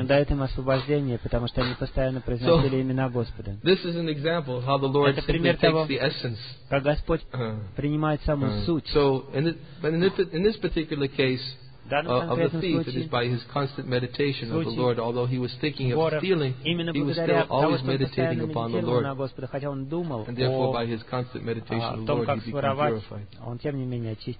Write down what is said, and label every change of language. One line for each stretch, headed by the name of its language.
Russian: Но в следующий раз, они дают им освобождение, потому что они постоянно произносили имена Господа.
English: This is an example of how the Lord simply takes the essence.
Russian: Как Господь принимает саму суть.
English: So, in this particular case of the thief, it is by his constant meditation of the Lord. Although he was thinking of stealing, he was still always meditating upon the Lord. And therefore, by his constant meditation of the Lord, he became purified.